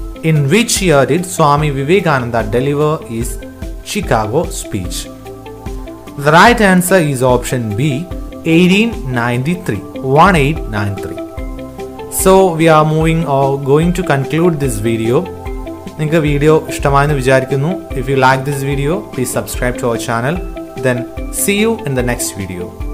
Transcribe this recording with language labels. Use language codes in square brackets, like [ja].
[en] In which year did Swami Vivekananda deliver his Chicago speech? The right answer is option B, 1893. So we are moving or going to conclude this video. [ml] നിങ്ങൾക്ക് video ഇഷ്ടമായെന്ന് വിചാരിക്കുന്നു. [en] If you like this video, please subscribe to our channel. Then see you in the next video.